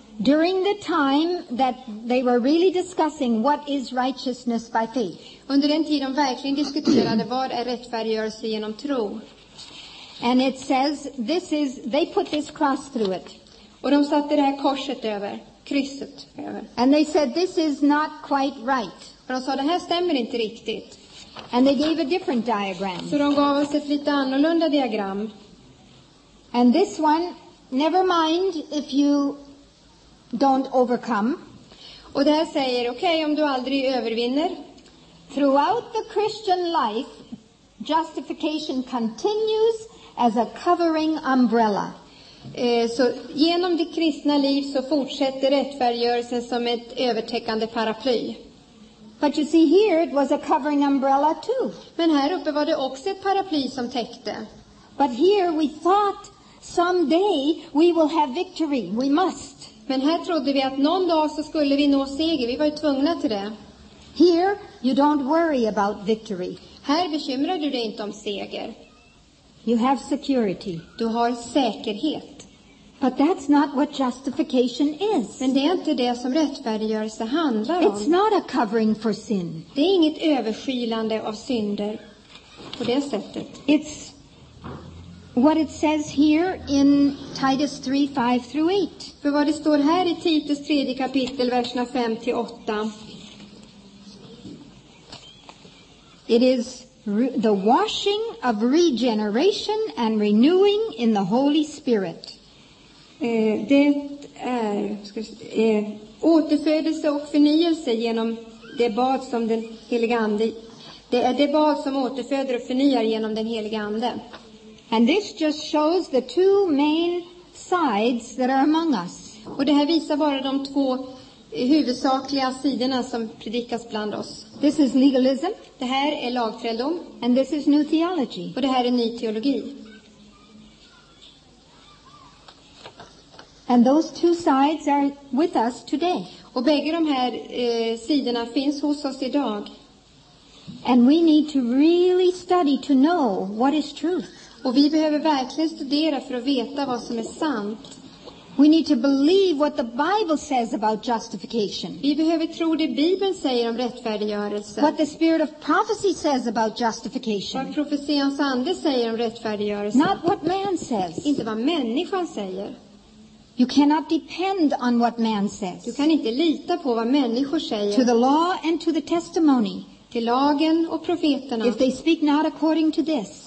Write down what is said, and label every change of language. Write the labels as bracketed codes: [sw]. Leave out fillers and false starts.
[en] During the time that they were really discussing what is righteousness by faith. [sv] Under den tiden verkligen diskuterade vad är rättfärdiggörelse genom tro. [en] And it says this is they put this cross through it. [sv] Och de satte det här korset över, krysset över. [en] And they said this is not quite right. [sv] Och de sa det här stämmer inte riktigt. [en] And they gave a different diagram. [sv] Så de gav oss ett lite annorlunda diagram. [en] And this one, never mind if you don't overcome. [sv] Och det här säger, okej, om du aldrig övervinner. [en] Throughout the Christian life, justification continues as a covering umbrella. [sv] Så genom det kristna liv så fortsätter rättfärdiggörelsen som ett övertäckande paraply. [en] But you see here, it was a covering umbrella too. [sv] Men här uppe var det också ett paraply som täckte. [en] But here we thought, someday we will have victory. We must. [sv] Men här trodde vi att någon dag så skulle vi nå seger. Vi var ju tvungna till det. [en] Here you don't worry about victory. [sv] Här bekymrar du dig inte om seger. [en] You have security. [sv] Du har säkerhet. [en] But that's not what justification is. [sv] Men det är inte det som rättfärdiggörelse handlar om. [en] It's not a covering for sin. [sv] Det är inget överskylande av synder på det sättet. [en] It's what it says here in Titus 3:5-8. [sv] För vad det står här i Titus 3 kapitel verserna 5-8. [en] It is the washing of regeneration and renewing in the Holy Spirit. [sv] Det är återfödelse och förnyelse genom det bad som den heliga ande Det är det bad som återföder och förnyar genom den heliga ande. [en] And this just shows the two main sides that are among us. [sv] Och det här visar bara de två huvudsakliga sidorna som predikas bland oss. [en] This is legalism. [sv] Det här är lagträldom. [en] And this is new theology. [sv] Och det här är ny teologi. [en] And those two sides are with us today. [sv] Och bägge de här sidorna finns hos oss idag. [en] And we need to really study to know what is truth. [sv] Och vi behöver verkligen studera för att veta vad som är sant. [en] We need to believe what the Bible says about justification. [sv] Vi behöver tro det Bibeln säger om rättfärdiggörelse. [en] What the spirit of prophecy says about justification. [sv] Vad profetians ande säger om rättfärdiggörelse. [en] Not what man says. [sv] Inte vad människan säger. [en] You cannot depend on what man says. [sv] Du kan inte lita på vad människor säger. [en] To the law and to the testimony. [sv] Till lagen och profeterna. [en] If they speak not according to this.